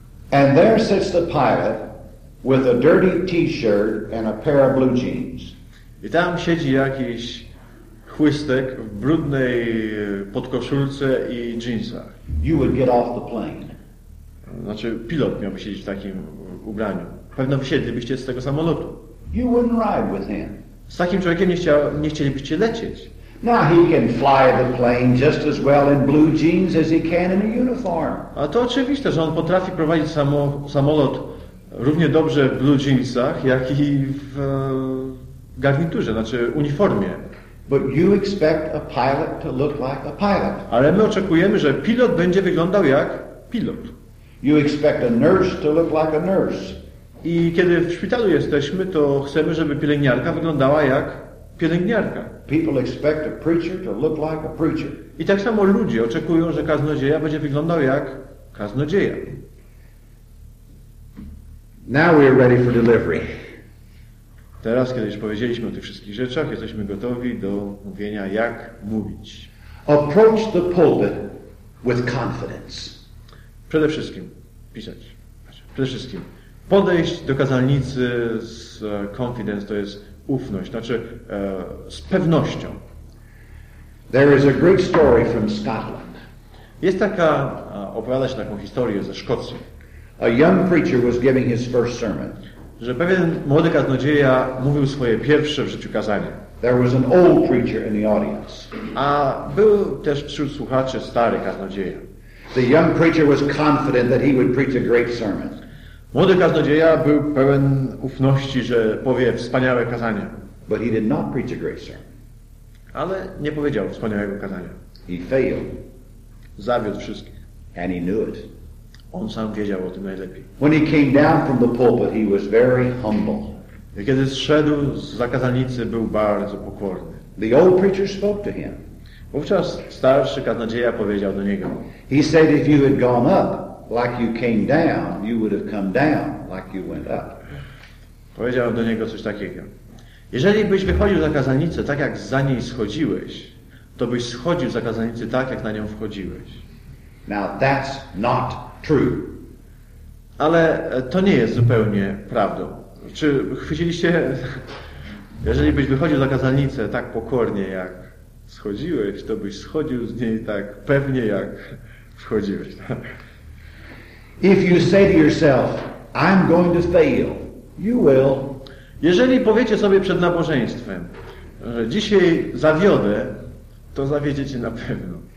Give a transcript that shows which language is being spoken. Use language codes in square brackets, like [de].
[en] And there sits the pilot with a dirty t-shirt and a pair of blue jeans. [pl] I tam siedzi jakiś chłystek w brudnej podkoszulce i jeansach. [en] You would get off the plane. [pl] Znaczy, pilot miałby siedzieć w takim ubraniu. Pewno wysiedlibyście z tego samolotu. [en] You wouldn't ride with him. [pl] Z takim człowiekiem nie chcielibyście lecieć. [en] Now he can fly the plane just as well in blue jeans as he can in a uniform. [pl] A to oczywiste, że on potrafi prowadzić samolot równie dobrze w blue jeansach, jak i w garniturze, znaczy uniformie. [en] But you expect a pilot to look like a pilot. [pl] Ale my oczekujemy, że pilot będzie wyglądał jak pilot. [en] You expect a nurse to look like a nurse. [pl] I kiedy w szpitalu jesteśmy, to chcemy, żeby pielęgniarka wyglądała jak pielęgniarka. [en] People expect a preacher to look like a preacher. [pl] I tak samo ludzie oczekują, że kaznodzieja będzie wyglądał jak kaznodzieja. [en] Now we are ready for delivery. [pl] Teraz, kiedy już powiedzieliśmy o tych wszystkich rzeczach, jesteśmy gotowi do mówienia, jak mówić. [en] Approach the pulpit with confidence. [pl] Przede wszystkim pisać. Przede wszystkim podejść do kazalnicy z confidence, to jest ufność, znaczy z pewnością. [en] There is a great story from Scotland. [pl] Jest taka, opowiada się taką historię ze Szkocji. [en] A young preacher was giving his first sermon. [pl] Że pewien młody kaznodzieja mówił swoje pierwsze w życiu kazanie. [en] There was an old preacher in the audience. [pl] A był też wśród słuchaczy stary kaznodzieja. [en] The young preacher was confident that he would preach a great sermon. [pl] Młody kaznodzieja był pełen ufności, że powie wspaniałe kazanie. [en] But he did not preach a great sermon. [pl] Ale nie powiedział wspaniałego kazania. [en] He failed. [pl] Zawiódł wszystkich. [en] And he knew it. [pl] On sam wiedział o tym najlepiej. [en] When he came down from the pulpit, he was very humble. [pl] I kiedy zszedł z kazalnicy, był bardzo pokorny. [en] The old preacher spoke to him. [pl] Wówczas starszy kaznodzieja powiedział do niego. [en] He said, if you had gone up like you came down, you would have come down like you went up. [pl] Powiedział do niego coś takiego. Jeżeli byś wychodził za kazalnicę tak, jak za niej schodziłeś, to byś schodził za kazalnicę tak, jak na nią wchodziłeś. [en] Now that's not true. [pl] Ale to nie jest zupełnie prawdą. Czy chwyciliście, jeżeli byś wychodził za kazalnicę tak pokornie, jak schodziłeś, to byś schodził z niej tak pewnie, jak wchodziłeś. [en] If you say to yourself, I'm going to fail, you will. [pl] Jeżeli powiecie sobie przed nabożeństwem, że dzisiaj zawiodę, to zawiedziecie na pewno.